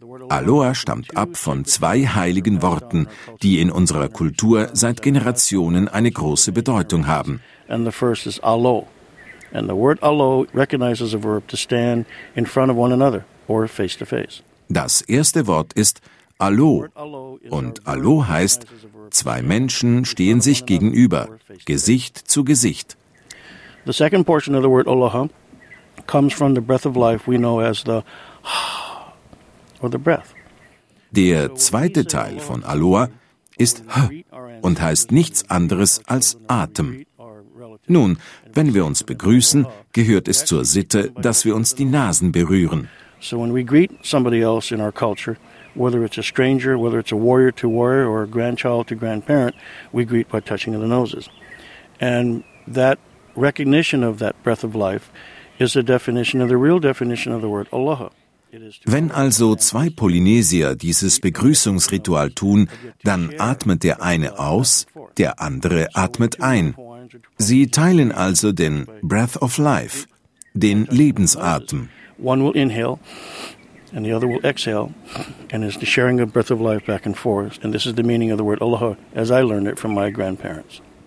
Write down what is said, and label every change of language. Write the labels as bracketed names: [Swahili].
[German] Aloha stammt ab von zwei heiligen Worten, die in unserer Kultur seit Generationen eine große Bedeutung haben. [English] And the first is alo. And the word alo recognizes a verb to stand in front of one another or face to face. [German] Das erste Wort ist Alo, und Alo heißt, zwei Menschen stehen sich gegenüber, Gesicht zu Gesicht. [English] The second portion of the word Aloha comes from the breath of life we know as the or the breath. [German] Der zweite Teil von Aloha ist H und heißt nichts anderes als Atem. Nun, wenn wir uns begrüßen, gehört es zur Sitte, dass wir uns die Nasen berühren. [English] So when we greet somebody else in our culture, whether it's a stranger, whether it's a warrior to warrior, or a grandchild to grandparent, we greet by touching the noses. And that recognition of that breath of life is the definition of the real definition of the word Aloha. [German] Wenn also zwei Polynesier dieses Begrüßungsritual tun, dann atmet der eine aus, der andere atmet ein. Sie teilen also den [English] breath of life, [German] den Lebensatem. [English] One will inhale and the other will exhale, and it's the sharing of breath of life back and forth, and this is the meaning of the word Aloha as I learned it from my grandparents.